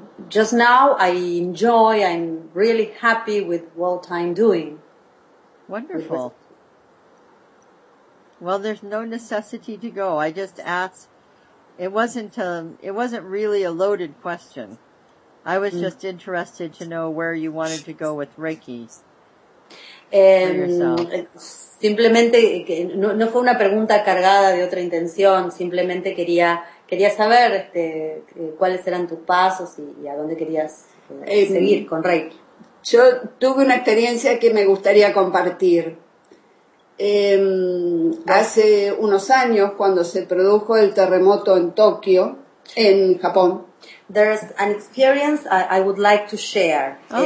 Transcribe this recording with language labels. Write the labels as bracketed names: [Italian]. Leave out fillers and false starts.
[English] Just now, I'm really happy with what I'm doing. Wonderful. Well, there's no necessity to go. I just asked. It wasn't really a loaded question. I was just interested to know where you wanted to go with Reiki. [Spanish] Simplemente, no fue una pregunta cargada de otra intención. Simplemente quería saber cuáles eran tus pasos y a dónde querías seguir con Reiki. Yo tuve una experiencia que me gustaría compartir. Hace unos años, cuando se produjo el terremoto en Tokio, en Japón. [English] There's an experience I would like to share.